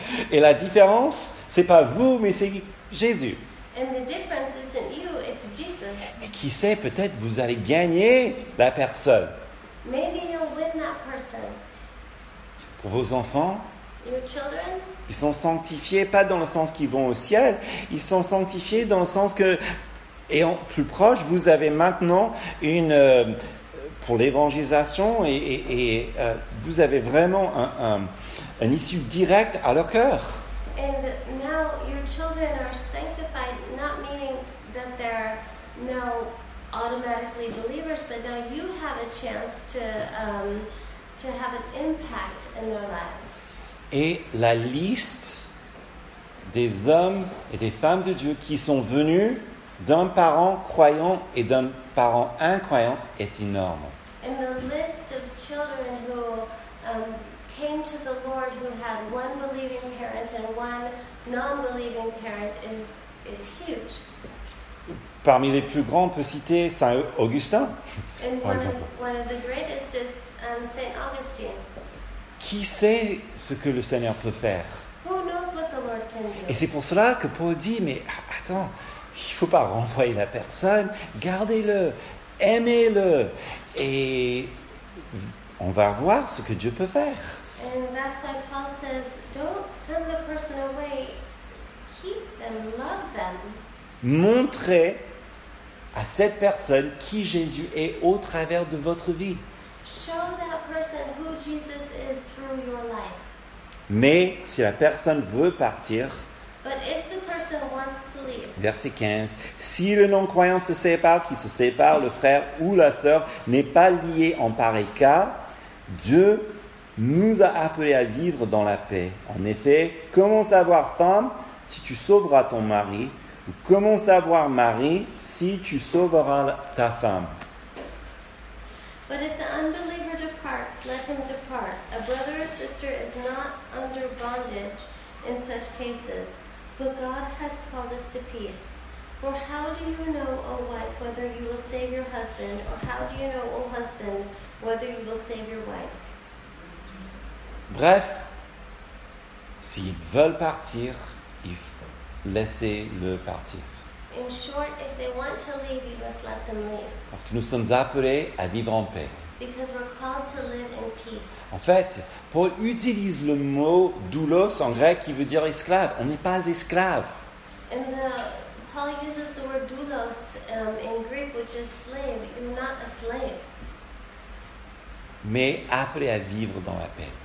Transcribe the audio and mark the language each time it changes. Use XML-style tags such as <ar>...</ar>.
<fr>Et la différence, c'est pas vous, mais c'est Jésus.</fr> <en>And the difference isn't you, it's Jesus.</en> <fr>Et qui sait, peut-être vous allez gagner la personne.</fr> <en>Maybe you'll win that person.</en> <fr>Pour vos enfants,</fr> <en>your children,</en> <fr>ils sont sanctifiés, pas dans le sens qu'ils vont au ciel, ils sont sanctifiés dans le sens que, et en plus proche, vous avez maintenant une, pour l'évangélisation, et vous avez vraiment un issue directe à leur cœur.</fr> <en>And now your children are sanctified, not meaning that they're now automatically believers, but now you have a chance to have an impact in their lives.</en> <fr>Et la liste des hommes et des femmes de Dieu qui sont venus d'un parent croyant et d'un parent incroyant est énorme.</fr> <en>And the list of children who came to the Lord who had one believing parent and one non-believing parent is huge.</en> <fr>Parmi les plus grands, on peut citer Saint Augustin, par exemple.</fr> <en>Saint Augustine.</en> <fr>Qui sait ce que le Seigneur peut faire?</fr> <en>Who knows what the Lord can do?</en> <fr>Et c'est pour cela que Paul dit, mais attends, il ne faut pas renvoyer la personne, gardez-le, aimez-le, et on va voir ce que Dieu peut faire.</fr> <en>And that's why Paul says, don't send the person away, keep them, love them.</en> <fr>Montrez à cette personne qui Jésus est au travers de votre vie.</fr> <en>Show that person who Jesus is through your life.</en> <fr>Mais si la personne veut partir,</fr> <en>but if the person wants to leave,</en> <fr>verset 15, si le non-croyant se sépare, qu'il se sépare, le frère ou la sœur n'est pas lié en pareil cas, Dieu nous a appelés à vivre dans la paix. En effet, comment savoir, femme, si tu sauveras ton mari? Commence à voir Marie si tu sauveras ta femme.</fr> <en>But if the unbeliever departs, let him depart. A brother or sister is not under bondage in such cases, but God has called us to peace. For how do you know, O wife, whether you will save your husband, or how do you know, O husband, whether you will save your wife?</en> <fr>Bref, s'ils veulent partir, il faut laissez-le partir.</fr> <en>In short, if they want to leave, you must let them leave.</en> <fr>Parce que nous sommes appelés à vivre en paix.</fr> <en>Because we're called to live in peace.</en> <fr>En fait, Paul utilise le mot doulos en grec qui veut dire esclave. On n'est pas esclave.</fr> <en>And Paul uses the word doulos in Greek, which is slave. You're not a slave.</en> <fr>Mais appelés à vivre dans la paix.</fr>